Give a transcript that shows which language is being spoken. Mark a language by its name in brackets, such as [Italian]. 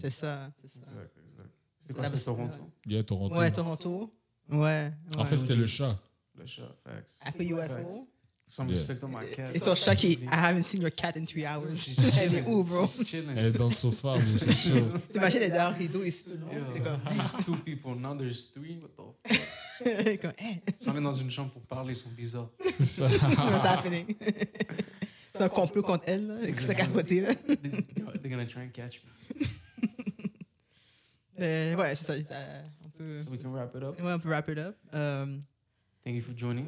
[French] C'est ça, c'est ça. C'est quoi, c'est Toronto? Il y a Toronto. Ouais, Toronto. Ouais. ouais. En fait, c'était le chat. Le chat, facts. Après UFO. [English] Facts. Some yeah. respect on my cat. [French] Et ton chat qui, [English] I haven't seen your cat in 3 hours. [French] Elle est où, bro? Elle est dans le sofa, mais c'est chaud. T'imagines, elle est derrière le rideau ici. [English] These two people, now there's three, what the fuck? [French] Ils sont dans une chambre pour parler, ils sont bizarres. [English] What's happening? [French] C'est un complot contre elle, là, qui s'est capoté, là. [English] They're gonna try and catch me. [French] Mais ouais, c'est ça, c'est ça. On peut... [English] So we can wrap it up? [French] Ouais, on peut [English] wrap it up. Thank you for joining.